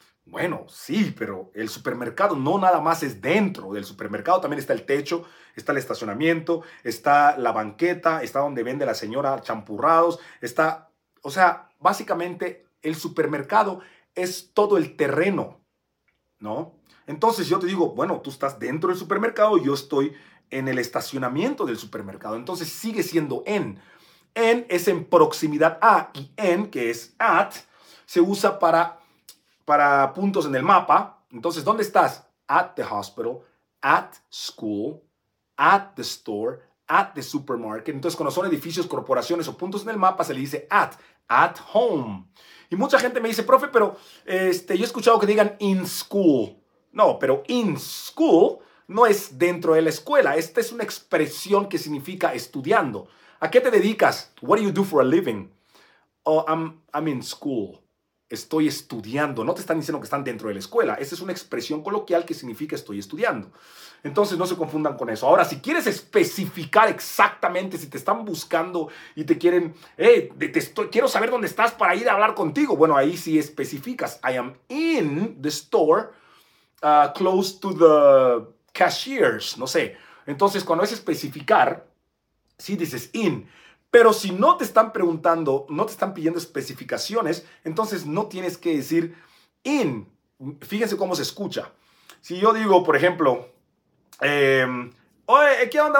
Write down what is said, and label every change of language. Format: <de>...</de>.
<es>Bueno, sí, pero el supermercado no nada más es dentro del supermercado, también está el techo, está el estacionamiento, está la banqueta, está donde vende la señora champurrados, está, o sea, básicamente el supermercado es todo el terreno, ¿no? Entonces yo te digo, bueno, tú estás dentro del supermercado, yo estoy en el estacionamiento del supermercado, entonces sigue siendo en. En es en proximidad a, y en, que es at, se usa para puntos en el mapa. Entonces, ¿dónde estás?</es> <en>At the hospital, at school, at the store, at the supermarket.</en> <es>Entonces, cuando son edificios, corporaciones o puntos en el mapa, se le dice at home. Y mucha gente me dice, profe, pero yo he escuchado que digan in school. No, pero in school no es dentro de la escuela. Esta es una expresión que significa estudiando. ¿A qué te dedicas?</es> <en>What do you do for a living? Oh, I'm in school.</en> <es>Estoy estudiando. No te están diciendo que están dentro de la escuela. Esa es una expresión coloquial que significa estoy estudiando. Entonces, no se confundan con eso. Ahora, si quieres especificar exactamente si te están buscando y te quieren, quiero saber dónde estás para ir a hablar contigo. Bueno, ahí sí especificas.</es> <en>I am in the store, close to the cashiers.</en> <es>No sé. Entonces, cuando es especificar, sí dices in. Pero si no te están preguntando, no te están pidiendo especificaciones, entonces no tienes que decir in. Fíjense cómo se escucha. Si yo digo, por ejemplo, oye, ¿qué onda?</es>